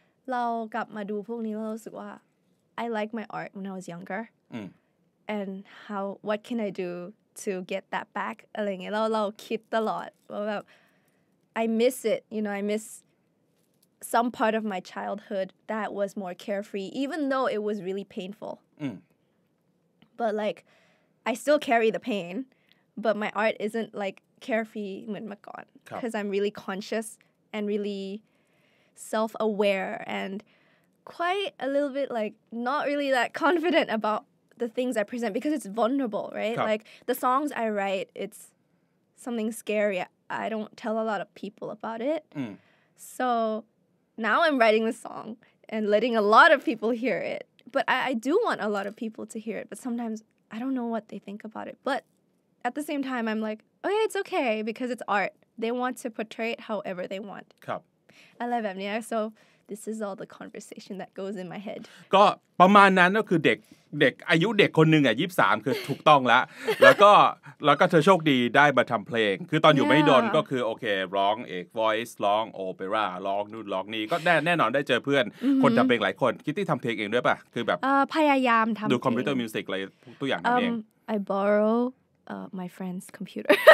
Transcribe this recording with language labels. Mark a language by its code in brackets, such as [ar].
[th] เรากลับมาดูพวกนี้แล้วรู้สึกว่า [en] I like my art when I was younger and how what can I do to get that back [th] อะไรเงี้ยเราคิดตลอดว่าแบบ [en] I miss it you know I missSome part of my childhood that was more carefree, even though it was really painful. But like, I still carry the pain, but my art isn't like carefree [th] เหมือนเมื่อก่อน [en] because I'm really conscious and really self-aware and quite a little bit like not really that confident about the things I present because it's vulnerable, right? Like the songs I write, it's something scary. I don't tell a lot of people about it. So... Now I'm writing the song and letting a lot of people hear it. But I do want a lot of people to hear it. But sometimes I don't know what they think about it. But at the same time, I'm like, okay, it's okay because it's art. They want to portray it however they want. [th] ครับ [en] I love it. Yeah. So this is all the conversation that goes in my head [th] ก็ประมาณนั้นก็คือเด็กอายุเด็กคนนึงอ่ะ23คือถูกต้องแล้วแล้วก็เธอโชคดีได้มาทําเพลงคือตอนอยู่ไม่ดนก็คือโอเคร้องเอก voice ร้องโอเปร่าร้องนู่นร้องนี่ก็แน่นอนได้เจอเพื่อนคนทําเพลงหลายคนคิตตี้ทําเพลงเองด้วยป่ะคือแบบ พยายามทํา ดูคอมพิวเตอร์มิวสิกอะไรตัวอย่างนั้นเอง [en] I borrowmy friend's computer